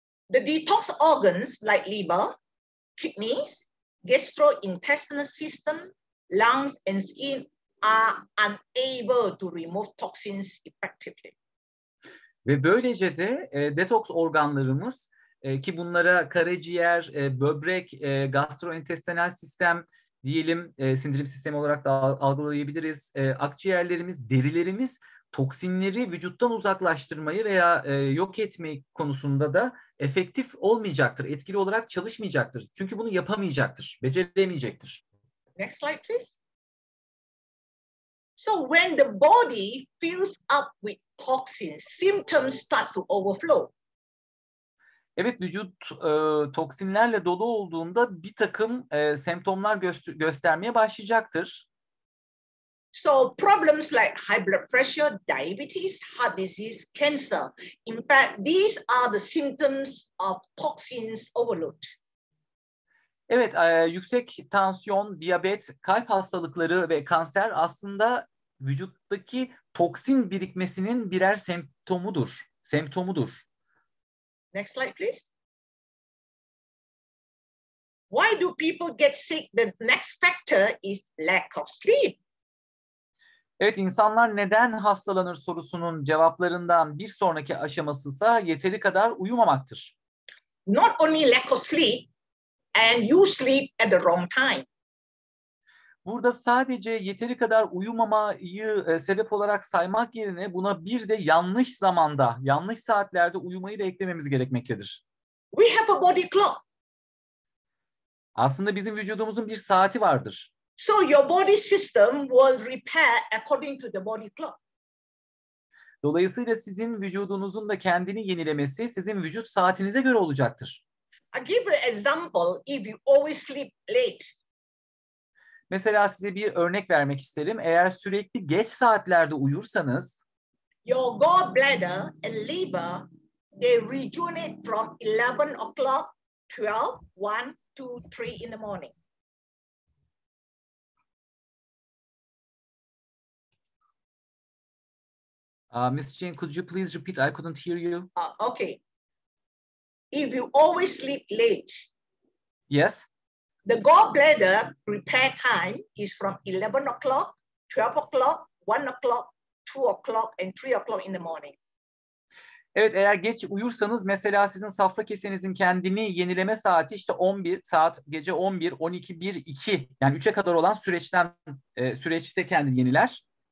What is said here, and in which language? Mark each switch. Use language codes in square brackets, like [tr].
[en] The detox organs like liver, kidneys, gastrointestinal system, lungs, and skin are unable to remove toxins effectively. [tr] Ve böylece de detoks organlarımız, ki bunlara karaciğer, böbrek, gastrointestinal sistem diyelim, sindirim sistemi olarak da algılayabiliriz. Akciğerlerimiz, derilerimiz toksinleri vücuttan uzaklaştırmayı veya yok etmeyi konusunda da efektif olmayacaktır. Etkili olarak çalışmayacaktır. Çünkü bunu yapamayacaktır, beceremeyecektir. [en] Next slide please. So when the body fills up with toxins, symptoms start to overflow. [tr] Evet, vücut toksinlerle dolu olduğunda bir takım semptomlar göstermeye başlayacaktır. [en] So problems like high blood pressure, diabetes, heart disease, cancer. In fact, these are the symptoms of toxins overload. [tr] Evet, yüksek tansiyon, diyabet, kalp hastalıkları ve kanser aslında vücuttaki toksin birikmesinin birer semptomudur. [en] Next slide please. Why do people get sick? The next factor is lack of sleep. [tr] Evet, insanlar neden hastalanır sorusunun cevaplarından bir sonraki aşaması ise yeteri kadar uyumamaktır. [en] Not only lack of sleep and you sleep at the wrong time. [tr] Burada sadece yeteri kadar uyumamayı sebep olarak saymak yerine buna bir de yanlış zamanda, yanlış saatlerde uyumayı da eklememiz gerekmektedir. [en] We have a body clock. [tr] Aslında bizim vücudumuzun bir saati vardır. [en] So your body system will repair according to the body clock. [tr] Dolayısıyla sizin vücudunuzun da kendini yenilemesi sizin vücut saatinize göre olacaktır. [en] I give an example if you always sleep late. [tr] Mesela size bir örnek vermek isterim. Eğer sürekli geç saatlerde uyursanız, [en] your gallbladder and liver, they rejuvenate from 11 o'clock, 12, 1, 2, 3 in the morning. Ms. Jane, could you please repeat? I couldn't hear you. Okay. If you always sleep late. Yes. The gallbladder repair time is from 11 o'clock, 12 o'clock, 1 o'clock, 2 o'clock and 3 o'clock in the morning. [tr] Evet, eğer geç uyursanız mesela sizin safra kesenizin kendini yenileme saati işte 11 saat, gece 11, 12, 1, 2 yani 3'e kadar olan süreçte kendini yeniler.